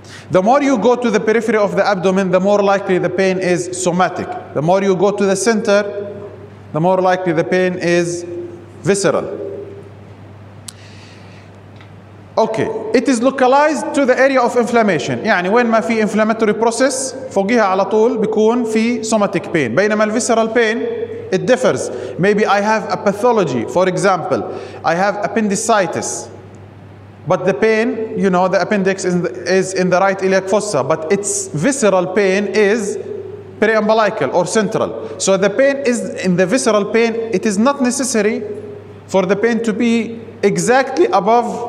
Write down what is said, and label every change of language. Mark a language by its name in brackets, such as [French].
[English] The more you go to the periphery of the abdomen, the more likely the pain is somatic. The more you go to the center, the more likely the pain is visceral. Okay, it is localized to the area of inflammation. [Arabic] يعني وين ما في inflammatory process فوقيها على طول بيكون في somatic pain. بينما ال [English] visceral pain it differs. Maybe I have a pathology. For example, I have appendicitis, but the pain, you know, the appendix is in the right iliac fossa, but its visceral pain is periembolical or central. So the pain is in the visceral pain. It is not necessary for the pain to be exactly above